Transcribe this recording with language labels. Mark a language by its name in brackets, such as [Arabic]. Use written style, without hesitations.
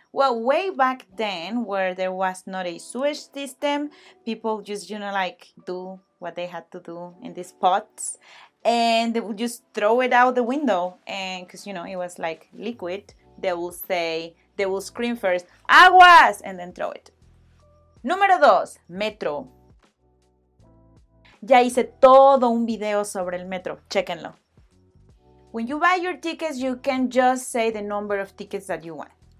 [English] Well, way back then, where there was not a sewage system, people just, you know, like, do what they had to do in these pots. And they would just throw it out the window. And because, you know, it was like liquid, they will say, they will scream first, aguas, and then throw it. [Spanish] Número dos, metro. Ya hice todo un video sobre el metro. Chéquenlo. [English] When you buy your tickets, you can just say the number of tickets that you want.